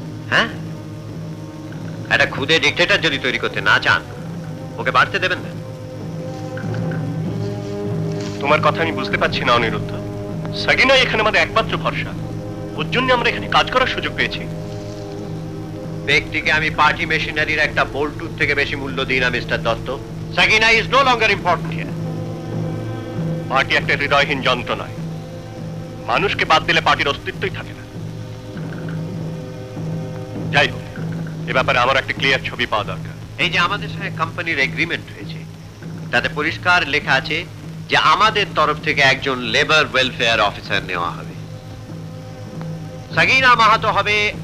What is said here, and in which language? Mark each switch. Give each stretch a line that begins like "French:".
Bangla: হ্যাঁ, একটা খুদে ডিক্টেটর যদি তৈরি করতে না চান, ওকে বাড়তে দেবেন না। তোমার কথা আমি বুঝতে পাচ্ছি না অনিরুদ্ধ। সাগিনা এখানে আমাদের একমাত্র ভরসা, ওর জন্য আমরা এখানে কাজ করার সুযোগ পেয়েছি। ব্যক্তিকে আমি পার্টি মেশিনারির একটা বোল্টুর থেকে বেশি মূল্য দিই না mister Dutta.
English: Sagina is no longer important here.
Bangla: Party একটা হৃদয়হীন যন্ত্র নয়, মানুষকে বাদ দিলে পার্টির অস্তিত্বই থাকে না। যাই হোক, এ ব্যাপারে আমার একটা ক্লিয়ার ছবি পাওয়া দরকার। এই যে আমাদের সঙ্গে কোম্পানির এগ্রিমেন্ট হয়েছে, তাতে পরিষ্কার লেখা আছে যে আমাদের তরফ থেকে একজন লেবার ওয়েলফেয়ার অফিসার নেওয়া হবে। Sagina Mahato হবে